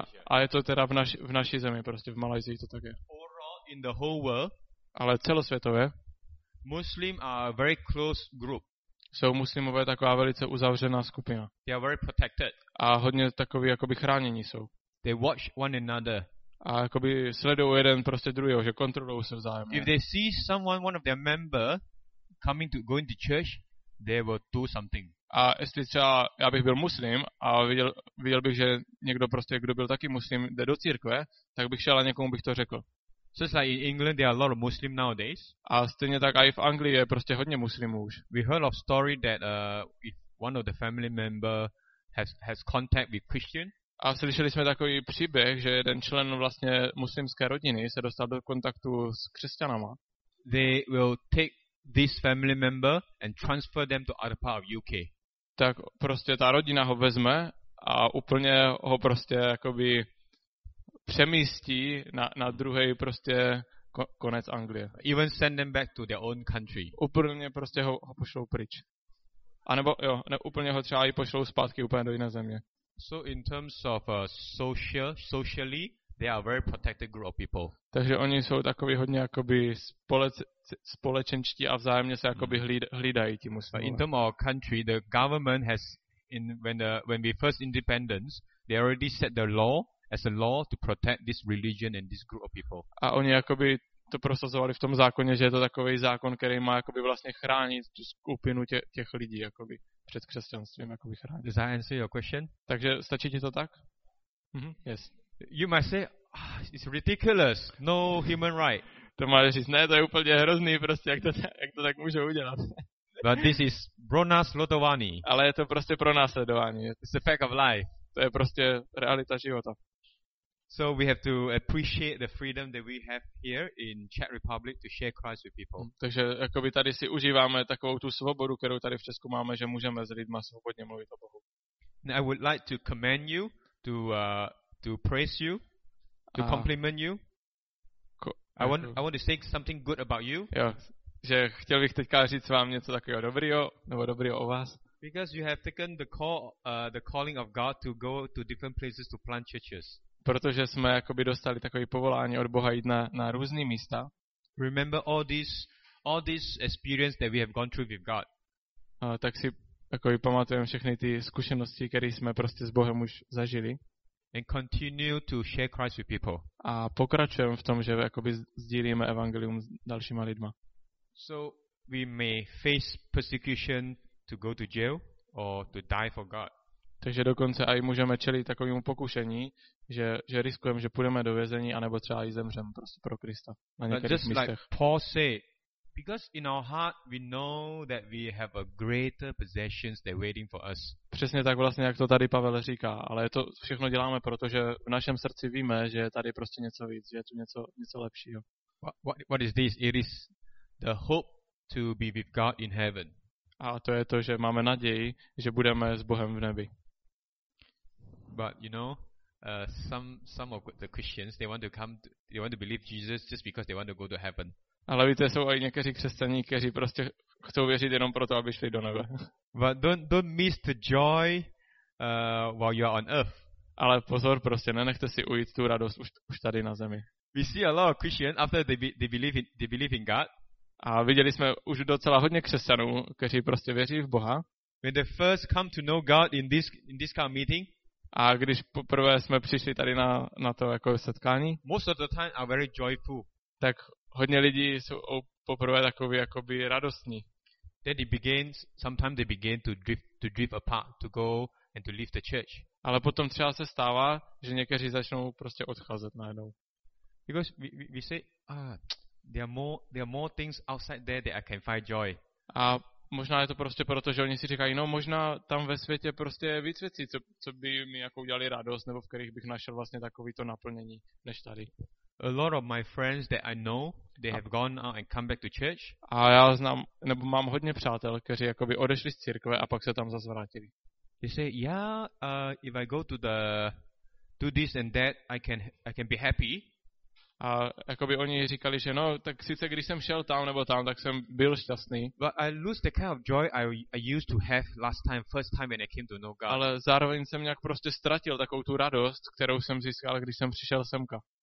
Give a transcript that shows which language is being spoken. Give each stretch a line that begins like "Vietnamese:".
Czech: A je to teda v naší zemi, prostě v Malajzii to tak je.
English: In the whole world,
Czech: ale celosvětově
English: Muslim are a very close group.
Czech: Jsou muslimové taková velice uzavřená skupina.
English: They are very protected.
Czech: A hodně takový jakoby chránění jsou.
English: They watch one another.
Czech: A jakoby sledují jeden prostě druhého, že kontrolují se vzájemně.
English: If they see someone, one of their member coming to going to church, they will do something.
Czech: A jestli třeba já bych byl muslim a viděl bych, že někdo prostě, kdo byl taky muslim, jde do církve, tak bych šel a někomu bych to řekl.
English: So like in England there are a lot of Muslim nowadays.
Czech: A stejně tak i v Anglii je prostě hodně muslimů už.
English: We heard of story that if one of the family member has contact with Christian.
Czech: A slyšeli jsme takový příběh, že jeden člen vlastně muslimské rodiny se dostal do kontaktu s křesťanama.
English: They will take this family member and transfer them to other part of UK.
Czech: Tak prostě ta rodina ho vezme a úplně ho prostě jakoby přemístí na druhý prostě konec Anglie.
English: Even send them back to their own country.
Czech: Úplně prostě ho pošlou pryč. A nebo jo, ne, úplně ho třeba i pošlou zpátky úplně do jiné země.
English: So in terms of socially, they are very protected group of people.
Czech: Takže oni jsou takový hodně jakoby společenští a vzájemně se jakoby hlídají tím muslimům.
English: In terms of country, the government has when we first independence, they already set the law as a law to protect this religion and this group of people.
Czech: A oni jakoby to prosazovali v tom zákoně, že je to takový zákon, který má jakoby vlastně chránit tu skupinu těch lidí jakoby před křesťanstvím jakoby chránit.
English: Does that answer your question?
Czech: Takže stačí ti to tak?
English: Mm-hmm. Yes. You might say, oh, it's ridiculous. No human right.
Czech: To máš říct, ne, to je úplně hrozný prostě, jak to tak může udělat.
English: But this is
Czech: pro nás lotovaný. Ale je to prostě pro následování.
English: It's a fact of life.
Czech: To je prostě realita života.
English: So we have to appreciate the freedom that we have here in Czech Republic to share Christ with people.
Czech: Takže jakoby tady si užíváme takovou tu svobodu, kterou tady v Česku máme, že můžeme s lidma svobodně mluvit o Bohu.
English: I would like to commend you, to praise you, to compliment you. I want to say something good about you.
Czech: Jo, že chtěl bych teďka říct vám něco takového dobrýho, nebo dobrýho o vás.
English: Because you have taken the call, the calling of God to go to different places to plant churches.
Czech: Protože jsme jakoby dostali takové povolání od Boha jít na různé místa.
English: Remember all this experience that we have gone through with God.
Czech: Tak si jakoby pamatujeme všechny ty zkušenosti, které jsme prostě s Bohem už zažili.
English: And continue to share Christ with people.
Czech: A pokračujeme v tom, že jakoby sdílíme evangelium s dalšíma lidma.
English: So we may face persecution to go to jail or to die for God.
Czech: Takže dokonce aj můžeme čelit takovému pokušení, že riskujeme, že půjdeme do vězení a nebo třeba i zemřeme prostě pro Krista na některých místech.
English: Like Paul said, because in our heart we know that we have a greater possessions that waiting for us.
Czech: Přesně tak vlastně, jak to tady Pavel říká, ale to všechno děláme, protože v našem srdci víme, že je tady prostě něco víc, že je tu něco lepšího.
English: What is this? It is the hope to be with God in heaven.
Czech: A to je to, že máme naději, že budeme s Bohem v nebi.
English: But you know, some of the Christians they want to believe Jesus just because they want to go to heaven.
Czech: Ale víte, jsou i někteří křesťané, kteří prostě chtou věřit jenom proto, aby šli do nebe.
English: But don't miss the joy while you are on earth.
Czech: Ale pozor, prostě nenechte si ujít tu radost už tady na zemi.
English: We see a lot of Christians after they believe in God.
Czech: A viděli jsme už docela hodně křesťanů, kteří prostě věří v Boha.
English: When they first come to know God in this kind of meeting.
Czech: A když poprvé jsme přišli tady na to jako setkání.
English: Most of the time are very joyful.
Czech: Tak hodně lidí jsou poprvé takový jakoby radostní.
English: Then it begins, sometimes they begin to drift apart, to go and to leave the church.
Czech: Ale potom třeba se stává, že někteří začnou prostě odcházet najednou.
English: Because we say, there are more things outside there that I can find joy.
Czech: A možná je to prostě proto, že oni si říkají, no možná tam ve světě prostě je víc věcí, co by mi jako udělali radost, nebo v kterých bych našel vlastně takový to naplnění než tady.
English: A lot of my friends that I know, they have gone out and come back to church.
Czech: A já znám, nebo mám hodně přátel, kteří jakoby odešli z církve a pak se tam zase vrátili.
English: They say, if I go to the do this and that, I can be happy.
Czech: A jakoby oni říkali, že no, tak sice když jsem šel tam nebo tam, tak jsem byl šťastný.
English: But I lose the kind of joy I used to have last time, first time when I came to know God.
Czech: Ale zároveň jsem nějak prostě ztratil takovou tu radost, kterou jsem získal, když jsem přišel semka.